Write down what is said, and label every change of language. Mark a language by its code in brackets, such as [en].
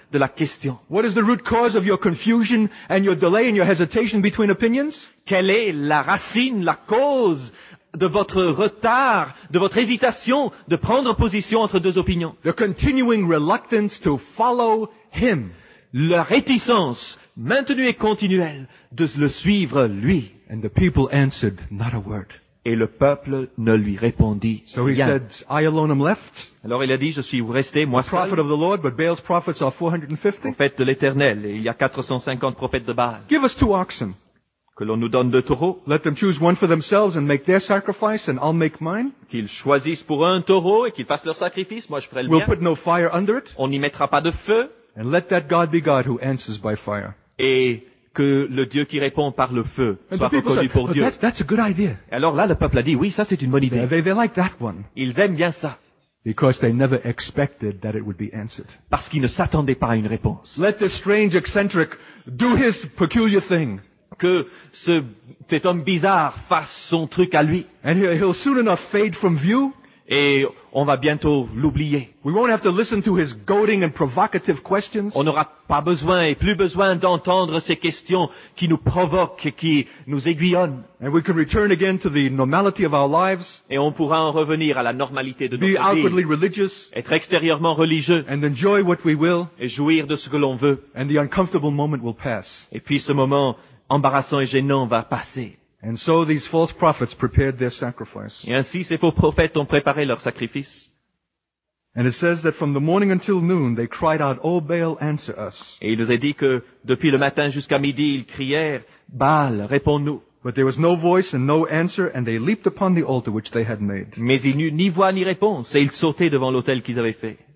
[fr] de la question. [en] What is the root cause of your confusion and your delay and your hesitation between opinions? [fr] Quelle est la racine, la cause de votre retard, de votre hésitation de prendre position entre deux opinions? [en] The continuing reluctance to follow him. [fr] La réticence maintenue et continuelle de le suivre lui. [en] And the people answered not a word. [fr] Et le peuple ne lui répondit rien. [en] So he said, I alone am left. [fr] Alors il a dit, je suis resté, moi seul. [en] Prophet of the Lord, but Baal's prophets are 450. [fr] Prophète de l'Éternel, et il y a 450 prophètes de Baal. [en] Give us two oxen. [fr] Que l'on nous donne deux taureaux. [en] Let them choose one for themselves and make their sacrifice, and I'll make mine. [fr] Qu'ils choisissent pour un taureau et qu'ils fassent leur sacrifice, moi je ferai le [en] we'll [fr] mien. [en] We'll put no fire under it. [fr] On n'y mettra pas de feu. [en] And let that God be God who answers by fire. [fr] Et que le Dieu qui répond par le feu soit reconnu pour Dieu. [en] That's a good idea. [fr] Alors là, le peuple a dit, oui, ça c'est une bonne idée. [en] They like that one. [fr] Ils aiment bien ça. [en] Because they never expected that it would be answered. [fr] Parce qu'ils ne s'attendaient pas à une réponse. [en] Let this strange eccentric do his peculiar thing. [fr] Que cet homme bizarre fasse son truc à lui. [en] And he'll soon enough fade from view. [fr] Et on va bientôt l'oublier. [en] We won't have to listen to his goading and provocative questions. [fr] On n'aura pas besoin et plus besoin d'entendre ces questions qui nous provoquent et qui nous aiguillonnent. [en] And we can return again to the normality of our lives. [fr] Et on pourra en revenir à la normalité de [en] be [fr] notre vie. [en] Be outwardly religious. [fr] Être extérieurement religieux. [en] And enjoy what we will. [fr] Et jouir de ce que l'on veut. [en] And the uncomfortable moment will pass. [fr] Et puis ce moment embarrassant et gênant va passer. [en] And so these false prophets prepared their sacrifice. [fr] Et ainsi ces faux prophètes ont préparé leur sacrifice. [en] And it says that from the morning until noon they cried out, O Baal, answer us. [fr] Et il nous est dit que depuis le matin jusqu'à midi ils crièrent, Baal, réponds-nous. [en] But there was no voice and no answer, and they leaped upon the altar which they had made. [fr] Mais il n'y eut ni voix ni réponse, et ils sautaient devant l'autel qu'ils avaient fait.